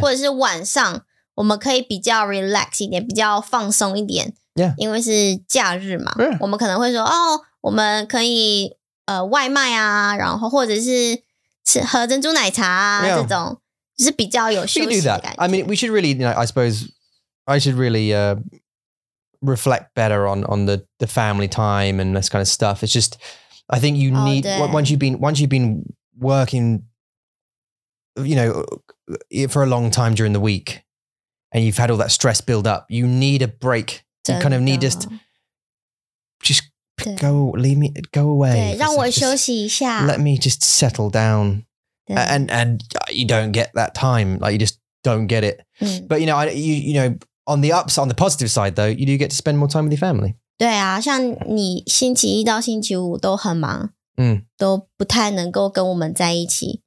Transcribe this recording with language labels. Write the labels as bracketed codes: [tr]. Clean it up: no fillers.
[zh] 或者是晚上我们可以比较 relax 一点，比较放松一点。 [en] Yeah. [zh] 因为是假日嘛、 [en] yeah. [zh] 我们可能会说哦我们可以外卖啊然后或者是吃喝珍珠奶茶啊、 [en] yeah. [zh] 这种就是比较有休息的感觉。 [en] We can do that. I mean, we should really, you know, I suppose, I should really reflect better on the family time and this kind of stuff. It's just, I think you need,、 oh, once you've been working, you know, for a long time during the week and you've had all that stress build up, you need a break. You kind of need just go, leave me, go away. [zh] 对，让我休息一下。 [en] Let me just settle down. And you don't get that time. Like, you just don't get it.、嗯、 But, you know, on the positive side, though, you do get to spend more time with your family. [zh] 对啊，像你星期一到星期五都很忙、嗯、都不太能够跟我们在一起。